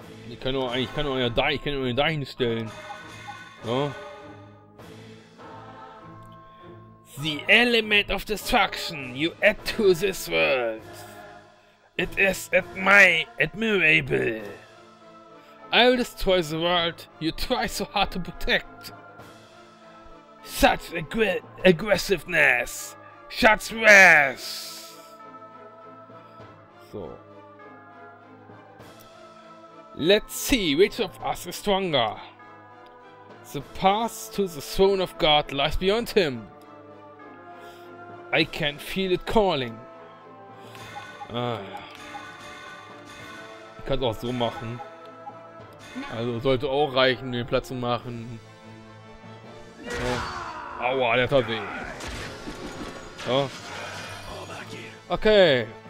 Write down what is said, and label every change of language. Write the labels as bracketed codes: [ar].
[de] Ich kann nur da hinstellen. So. [en] The element of destruction you add to this world. It is admirable. I will destroy the world you try so hard to protect. Such aggressiveness. Such wrath. So. Let's see which of us is stronger. The path to the throne of God lies beyond him. I can feel it calling. [de] Ich kann es auch so machen. Also sollte auch reichen, den Platz zu machen. So. Aua, der tat weh. So. Okay.